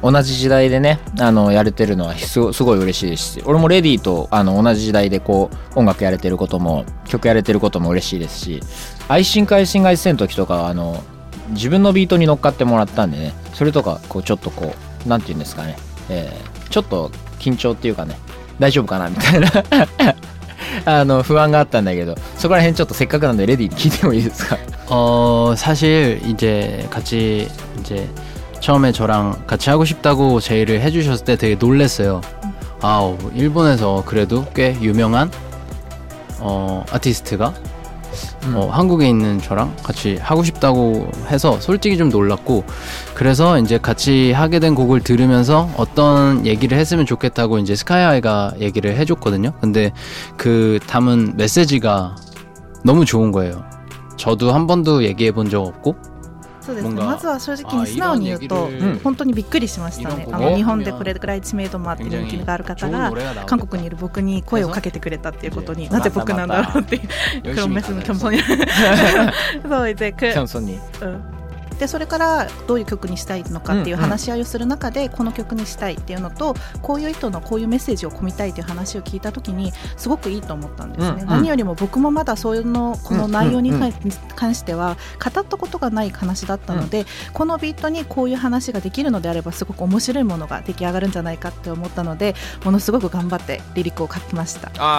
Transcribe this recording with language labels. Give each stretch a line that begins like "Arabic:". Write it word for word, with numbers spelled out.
Japanese: 同じ時代でね、あのやれてるのはすご、 すごい嬉しいですし、俺もレディとあの同じ時代でこう音楽やれてることも曲やれてることも嬉しいですし、愛心か愛心が一戦の時とかあの自分のビートに乗っかってもらったんでね、それとかこうちょっとこうなんていうんですかね、えー、ちょっと緊張っていうかね、大丈夫かなみたいな。あの不安があったんだけど、そこら辺ちょっとせっかくなんでレディに聞いてもいいですか？
Korean: 어 사실 이제 같이 이제 처음에 저랑 같이 하고 싶다고 제의를 해주셨을 때 되게 놀랐어요. 아, 일본에서 그래도 꽤 유명한 어, 아티스트가 어, 한국에 있는 저랑 같이 하고 싶다고 해서 솔직히 좀 놀랐고, 그래서 이제 같이 하게 된 곡을 들으면서 어떤 얘기를 했으면 좋겠다고 이제 스카이하이가 얘기를 해줬거든요. 근데 그 담은 메시지가 너무 좋은 거예요. 저도 한 번도 얘기해 본 적 없고
Japanese: そうですね、まずは正直に素直に言うと本当にびっくりしましたね。あの日本でこれくらい知名度もあって人気がある方が韓国にいる僕に声をかけてくれたっていうことに、なぜ僕なんだろうっていうクロメスのキョンソンにそうでキョンソンに、うんでそれからどういう曲にしたいのかっていう話し合いをする中で、うんうん、この曲にしたいっていうのとこういう人のこういうメッセージを込みたいという話を聞いたときにすごくいいと思ったんですね、うんうん、何よりも僕もまだそういうのこの内容に関しては語ったことがない話だったので、うんうんうん、このビートにこういう話ができるのであればすごく面白いものが出来上がるんじゃないかって思ったので、ものすごく頑張ってリリックを書きました。